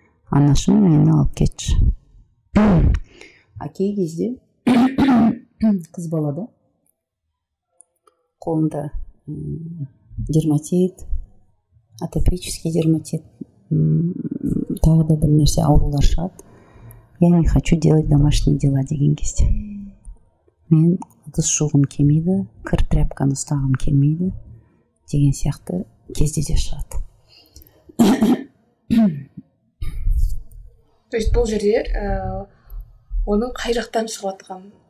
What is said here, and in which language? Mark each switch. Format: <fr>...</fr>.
<kk>анашым мені алып кетші. Кей кезде қыз балада қолында дерматит, атопический дерматит, тағы да бір нәрсе аурулар шығады.</kk> <ru>Я не хочу делать домашние дела</ru> <kk>деген кезде. Мен ыдыс жуғым келмейді, кір тряпканы ұстағым келмейді деген сияқты кезде де шығады. То есть бұл жерде оның қай жақтан шығатқан?</kk>